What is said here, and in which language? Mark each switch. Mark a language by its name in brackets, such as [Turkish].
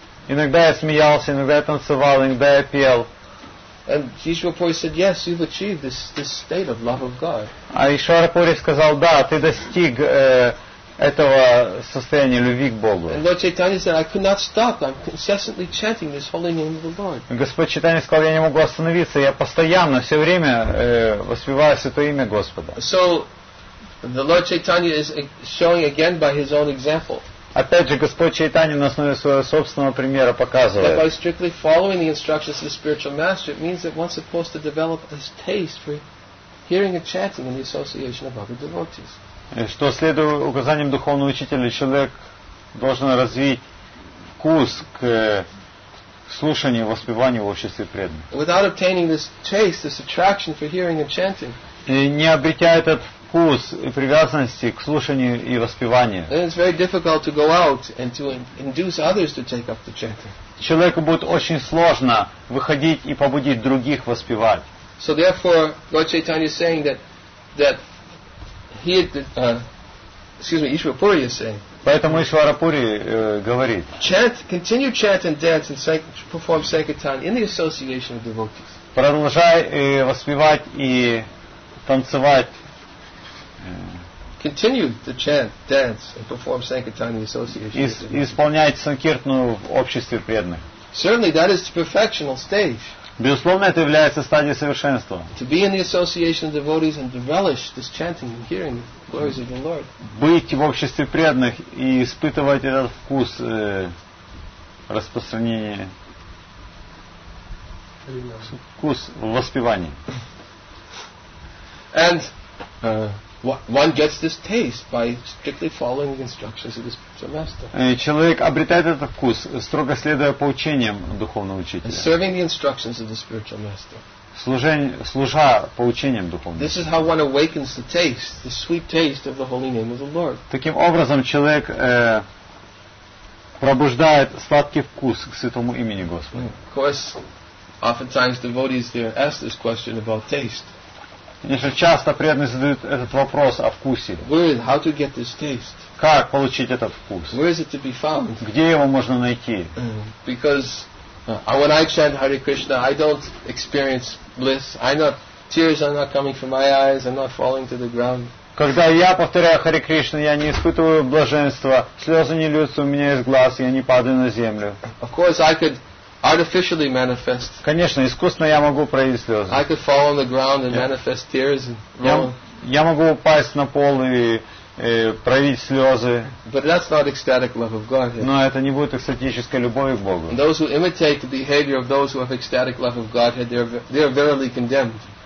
[Russian] Иногда я смеялся, иногда я танцевал, иногда я пел. [English] And Ishwarapuri said, yes, you've achieved this state of love of God. [Russian] А Ишварапури сказал, да, ты достиг этого состояния любви к Богу. [English] And Lord Chaitanya said, I could not stop. I'm incessantly chanting this holy name of the Lord. [Russian] Господь Чайтанья сказал, я не могу остановиться. Я постоянно, все время воспеваю святое имя Господа. [English] So, the Lord Chaitanya is showing again by his own example. [Russian] Опять же, Господь Чайтанья на основе своего собственного примера показывает. [English] That by strictly following the instructions of the spiritual master, it means that one's supposed to develop a taste for hearing and chanting in the association of other devotees. [Russian] Что следуя указаниям духовного учителя, человек должен развить вкус к слушанию, воспеванию в обществе преданных. [English] Without obtaining this taste, this attraction for hearing and chanting, [Russian] и не обретя этот вкус и привязанности к слушанию и воспеванию, [English] then it's very difficult to go out and to induce others to take up the chanting. [Russian] Человеку будет очень сложно выходить и побудить других воспевать. [English] So therefore, Lord Chaitanya is saying that. Ishwarapuri is saying. [Russian] Поэтому Ишварапури говорит. [English] Chant, continue chant and dance and perform sankirtan in the association of devotees. [Russian] Продолжай воспевать и танцевать. [English] Continue to chant, dance and perform sankirtan in the association. [Russian] Исполнять санкиртну в обществе преданных. [English] Certainly, that is the perfectional stage. [Russian] Безусловно, это является стадией совершенства. [English] To be in the association of devotees and to relish this chanting and hearing the glories of the Lord. [Russian] Быть в обществе преданных и испытывать этот вкус распространения. Вкус воспевания. [English] And One gets this taste by strictly following the instructions of this master. [Russian] Человек обретает этот вкус, строго следуя поучениям духовного учителя. [English] And serving the instructions of the spiritual master. [Russian] Служа поучениям духовного. [English] This is how one awakens the taste, the sweet taste of the holy name of the Lord. [Russian] Таким образом человек пробуждает сладкий вкус к святому имени Господа. [English] Of course, oftentimes devotees there ask this question about taste. [Russian] Конечно, часто преданные задают этот вопрос о вкусе. [English] How to get this taste? [Russian] Как получить этот вкус? [English] Where is it to be found? [Russian] Где его можно найти? [English] Because when I chant Hare Krishna, I don't experience bliss. Tears are not coming from my eyes. I'm not falling to the ground. [Russian] Когда я повторяю Харе Кришна, я не испытываю блаженства. Слезы не льются у меня из глаз. Я не падаю на землю. [English] Of course, I could artificially manifest. [Russian] Конечно, искусственно я могу проявить слезы. [English] I could fall on the ground and manifest tears. [Russian] Я могу упасть на пол и проявить слезы. [English] But that's not ecstatic love of God. [Russian] Но это не будет экстатической любовью к Богу. [English] Those who imitate the behavior of those who have ecstatic love of God, they are verily condemned.